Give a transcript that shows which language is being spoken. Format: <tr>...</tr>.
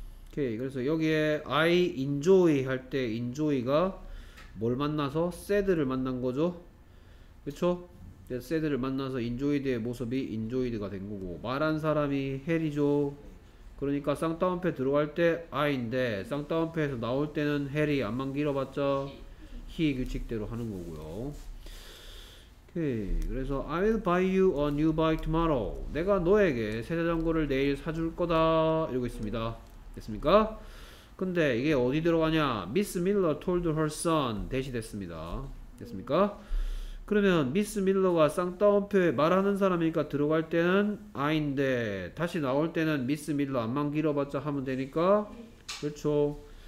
<ko>Okay, 그래서 여기에</ko> <en>I enjoy</en> <ko>할 때 enjoy가 뭘 만나서 said를 만난 거죠. 그쵸? 세드를 만나서 인조이드의 모습이 인조이드가 된 거고 말한 사람이 해리죠. 그러니까 쌍따옴표 들어갈 때 I인데 쌍따옴표에서 나올 때는 해리 안만 길어봤자 히 규칙대로 하는 거고요. 오케이. 그래서</ko> <en>I will buy you a new bike tomorrow.</en> <ko>내가 너에게 새 자전거를 내일 사줄 거다. 이러고 있습니다. 됐습니까? 근데 이게 어디 들어가냐?</ko> <en>Miss Miller told her son.</en> <ko>대시 됐습니다. 됐습니까? 그러면 미스 밀러가 쌍따옴표에 말하는 사람이니까 들어갈 때는 I인데 다시 나올 때는 미스 밀러 안만 길어봤자 하면 되니까 그렇죠.</ko>